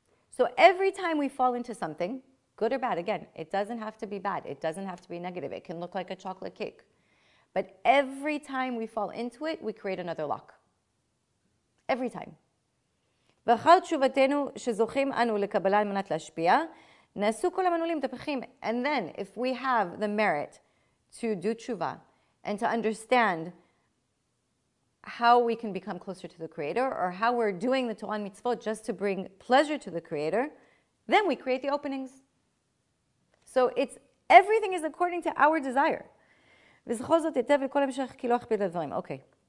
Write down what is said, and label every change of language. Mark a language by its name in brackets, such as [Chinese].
[English] So every time we fall into something, good or bad, again, it doesn't have to be bad. It doesn't have to be negative. It can look like a chocolate cake. But every time we fall into it, we create another lock. Every time. [Hebrew] וכל תשובתנו שזוכים אנו לקבלה על מנת להשפיע, נעשו כל המנעולים תפחים. [English] And then, if we have the merit to do tshuva and to understand how we can become closer to the Creator, or how we're doing the Torah and mitzvot just to bring pleasure to the Creator, then we create the openings. So it's everything is according to our desire. Okay.